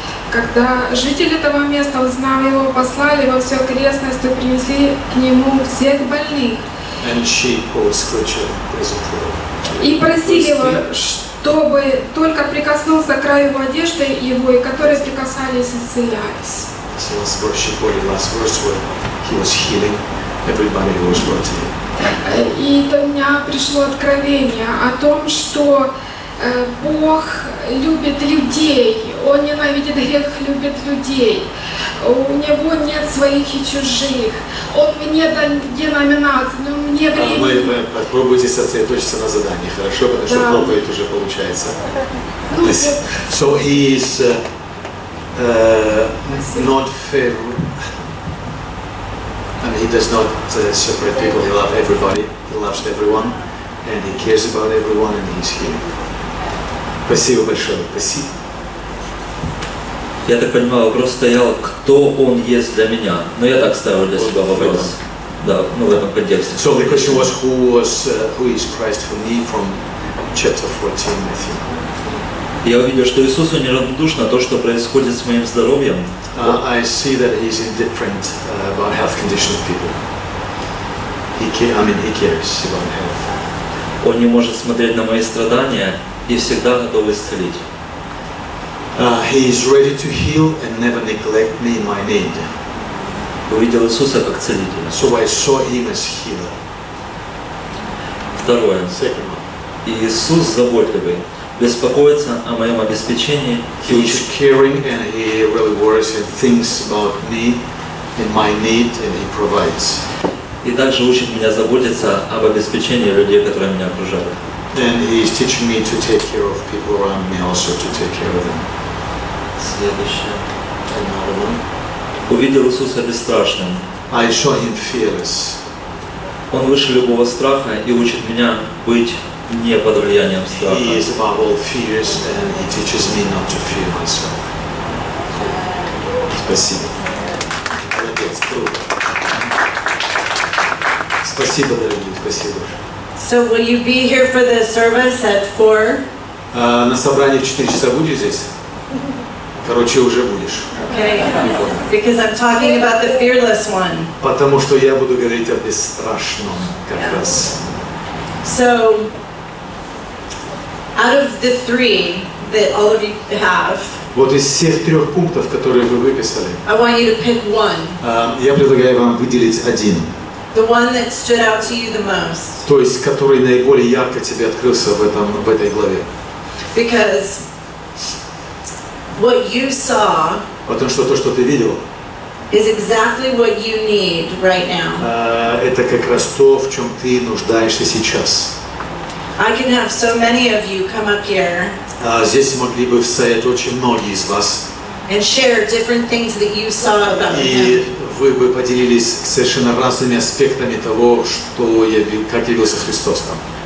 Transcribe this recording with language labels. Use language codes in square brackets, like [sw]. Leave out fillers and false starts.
[ru] Когда жители этого места, узнав его, послали во всю окрестность и принесли к нему всех больных. [en] And she quotes scripture, doesn't she? [ru] И просили его, чтобы только прикоснулся к краю его одежды его, и которые прикасались, исцелялись. [en] So last verse, she quoted last verse where he was healing everybody who was brought to him. [ru] И у меня пришло откровение о том, что Бог любит людей, Он ненавидит грех, любит людей. У Него нет своих и чужих. Он мне дан деноминацию, но мне время. Мы попробуйте сосредоточиться на задании, хорошо? Потому что проповедь уже получается. [en] So he is not fair. And he does not separate people. He loves everybody. He loves everyone. And he cares about everyone. And he's here. [ru] Спасибо большое. Спасибо. Я так понимаю, вопрос стоял, кто он есть для меня. Но я так ставил для себя вопрос. Да, ну в этом контексте. [en] So the question was, who was, who is Christ for me from chapter 14, Matthew. [ru] Я увидел, что Иисусу неравнодушно то, что происходит с моим здоровьем. [en] I see that he's indifferent about health condition of people. He cares about health. [ru] Он не может смотреть на мои страдания и всегда готов исцелить. [en] He is ready to heal and never neglect me in my need. [ru] Увидел Иисуса как целителя. [en] So I saw him as healer. [ru] Второе. [en] Second one. [ru] Иисус заботливый, беспокоится о моем обеспечении. [en] He is caring and he really worries and thinks about me and my need and he provides. [ru] И также учит меня заботиться об обеспечении людей, которые меня окружают. [en] And he is teaching me to take care of people around me, also to take care of them. [ru] Следующее. [en] Another one. [ru] Увидел Иисуса бесстрашным. [en] I saw him fearless. [ru] Он выше любого страха и учит меня быть не под влиянием страха. [en] He is above all fears and he teaches me not to fear myself. [ru] Спасибо. Молодец, круто. Спасибо, дорогие, спасибо. [en] So will you be here for the service at 4? [ru] На собрании в 4 часа будешь здесь? Короче, уже будешь. [en] Okay. Because I'm talking about the fearless one. [ru] Потому что я буду говорить о бесстрашном как раз. [en] So out of the 3 that all of you have. [ru] Вот из всех 3 пунктов, которые вы выписали. [en] I want you to pick one. [ru] Я предлагаю вам выделить один. [en] The one that stood out to you the most. [ru] То есть, который наиболее ярко тебе открылся в этом, в этой главе. [en] Because what you saw. [ru] Потому что то, что ты видел. [en] Is exactly what you need right now. [ru] Это как раз то, в чем ты нуждаешься сейчас. [en] I can have so many of you come up here. [ru] Здесь могли бы встать очень многие из вас. [en] And share different things that you saw about him. [ru] Вы бы поделились совершенно разными аспектами того, что я, как явился Христос там.